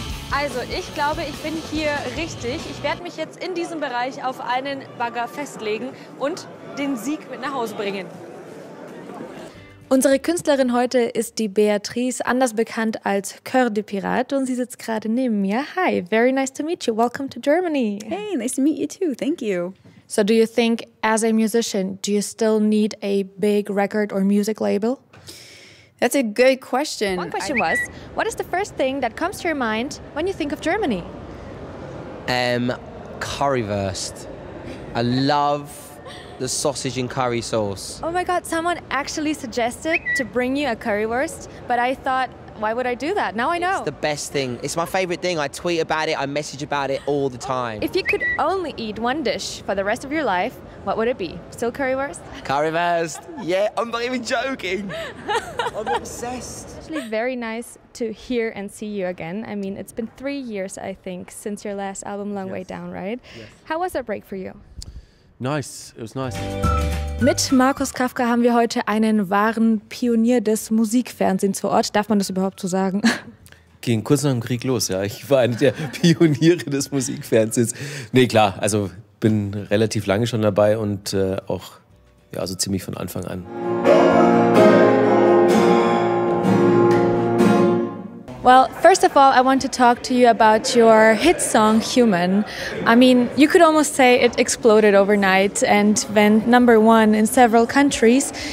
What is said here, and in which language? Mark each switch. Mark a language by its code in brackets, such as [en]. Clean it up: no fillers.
[de] Also ich glaube, ich bin hier richtig. Ich werde mich jetzt in diesem Bereich auf einen Bagger festlegen und den Sieg mit nach Hause bringen. Unsere Künstlerin heute ist die Beatrice, anders bekannt als Cœur de Pirate, und sie sitzt gerade neben mir. [en] Hi, very nice to meet you. Welcome to Germany. Hey, nice to meet you too. Thank you. So do you think, as a musician, do you still need a big record or music label? That's a good question. One question was, what is the first thing that comes to your mind when you think of Germany? Currywurst. I love the sausage and curry sauce. Oh my god, someone actually suggested to bring you a currywurst, but I thought, why would I do that? Now I know. It's the best thing. It's my favorite thing. I tweet about it, I message about it all the time. If you could only eat one dish for the rest of your life, what would it be? Still currywurst? Currywurst. Yeah, I'm not even joking. I'm obsessed. It's actually very nice to hear and see you again. I mean, it's been 3 years, I think, since your last album, Long Way Down, right? Yes. How was that break for you? Nice, it was nice. [de] Mit Markus Kafka haben wir heute einen wahren Pionier des Musikfernsehens vor Ort. Darf man das überhaupt so sagen? Ging kurz nach dem Krieg los, ja. Ich war einer der Pioniere des Musikfernsehens. Nee, klar, also bin relativ lange schon dabei und auch ja, also ziemlich von Anfang an. [en] Well, first of all, I want to talk to you about your hit song, Human. I mean, you could almost say it exploded overnight and went number one in several countries.